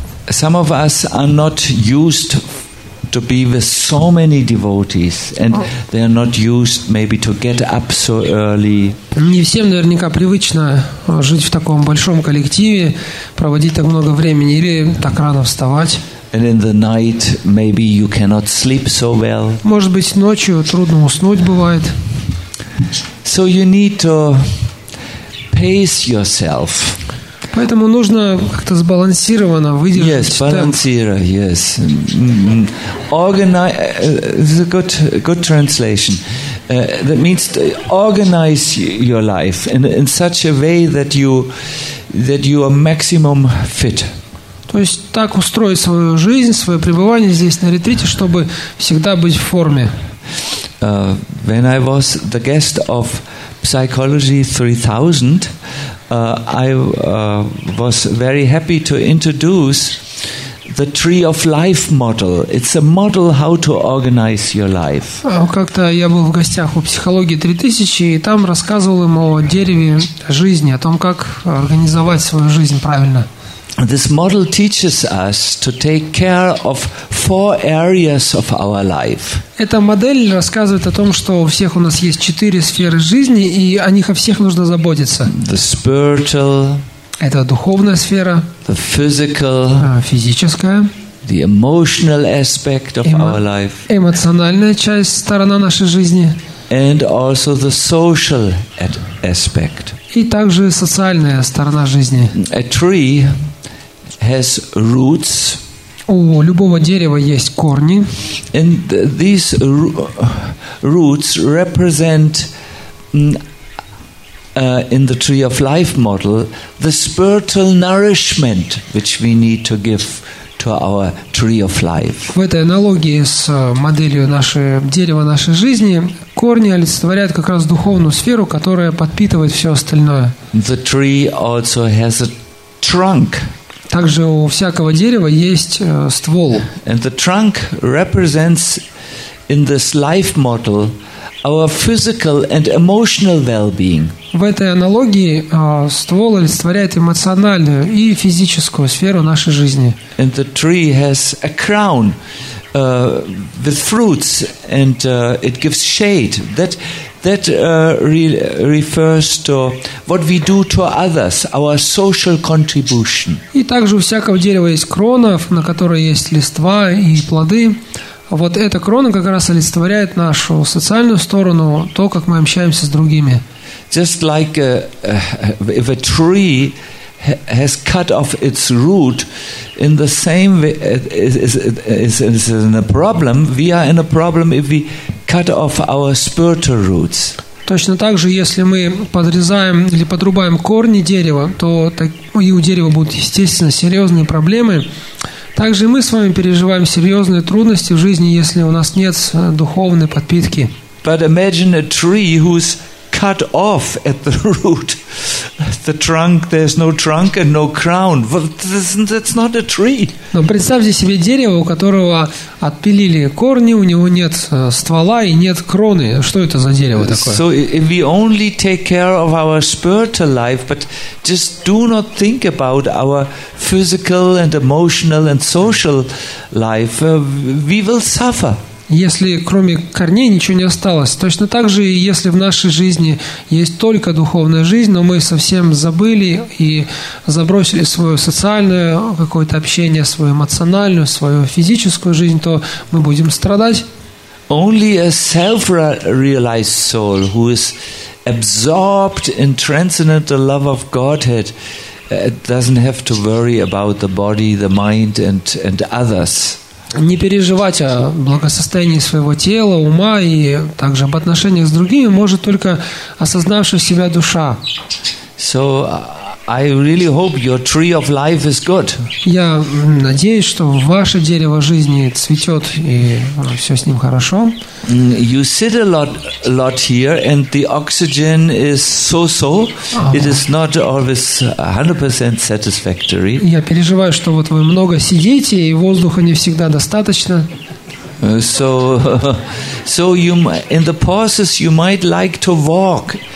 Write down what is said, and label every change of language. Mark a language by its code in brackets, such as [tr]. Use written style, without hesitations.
[en] Some of us are not used to be with so many devotees, and they are not used maybe to get up so early. [ru] Не всем наверняка привычно жить в таком большом коллективе, проводить так много времени или так рано вставать. [en] And in the night, maybe you cannot sleep so well. [ru] Может быть, ночью трудно уснуть бывает. [en] So you need to pace yourself. [ru] Поэтому нужно как-то сбалансированно выдержать. [en] Yes, balancira. Yes. Organize. This is a good translation. That means to organize your life in such a way that you are maximum fit. [ru] То есть так устроить свою жизнь, свое пребывание здесь на ретрите, чтобы всегда быть в форме. [en] When I was the guest of Psychology 3000, I was very happy to introduce the Tree of Life model. It's a model how to organize your life. [ru] Как-то я был в гостях у Психологии 3000, и там рассказывал им о дереве жизни, о том, как организовать свою жизнь правильно. [en] This model teaches us to take care of four areas of our life. [ru] Эта модель рассказывает о том, что у всех у нас есть четыре сферы жизни, и о них о всех нужно заботиться. [en] The spiritual. [ru] Это духовная сфера. [en] The physical. [ru] Физическая. [en] The emotional aspect of our life. [ru] Эмоциональная часть, сторона нашей жизни. [en] And also the social aspect. [ru] И также социальная сторона жизни. [en] A tree has roots. [ru] У любого дерева есть корни. [en] And these roots represent in the Tree of Life model the spiritual nourishment which we need to give to our Tree of Life. [ru] В этой аналогии с моделью дерева нашей жизни корни олицетворяют как раз духовную сферу, которая подпитывает все остальное. [en] The tree also has a trunk. [ru] Также у всякого дерева есть ствол. [en] And the trunk represents in this life model our physical and emotional well-being. [ru] В этой аналогии ствол олицетворяет эмоциональную и физическую сферу нашей жизни. [en] And the tree has a crown with fruits, and it gives shade. That refers to what we do to others, our social contribution. [ru] И также у всякого дерева есть крона, на которой есть листва и плоды. Вот эта крона как раз олицетворяет нашу социальную сторону, то, как мы общаемся с другими. [en] Just like if a tree has cut off its root, in the same way is in a problem. We are in a problem if we cut off our spiritual roots. [ru] Точно так же, если мы подрезаем или подрубаем корни дерева, то и у дерева будут, естественно, серьезные проблемы. Также мы с вами переживаем серьезные трудности в жизни, если у нас нет духовной подпитки. [en] But imagine a tree who's cut off at the root. The trunk, there's no trunk and no crown. That's not a tree. [ru] Но представьте себе дерево, у которого отпилили корни, у него нет ствола и нет кроны. Что это за дерево такое? [en] So if we only take care of our spiritual life, but just do not think about our physical and emotional and social life, we will suffer. [ru] Если кроме корней ничего не осталось. Точно так же, если в нашей жизни есть только духовная жизнь, но мы совсем забыли и забросили свое социальное какое-то общение, свою эмоциональную, свою физическую жизнь, то мы будем страдать. [en] Only a self-realized soul who is absorbed in transcendental love of Godhead doesn't have to worry about the body, the mind, and others. [ru] Не переживать о благосостоянии своего тела, ума и также об отношениях с другими может только осознавшая себя душа. [en] So I really hope your tree of life is good. [ru] Я надеюсь, что ваше дерево жизни цветет и все с ним хорошо. [en] You sit a lot here, and the oxygen is so-so. It is not always 100% satisfactory. [ru] Я переживаю, что вот вы много сидите и воздуха не всегда достаточно. [en] So you in the pauses you might like to walk.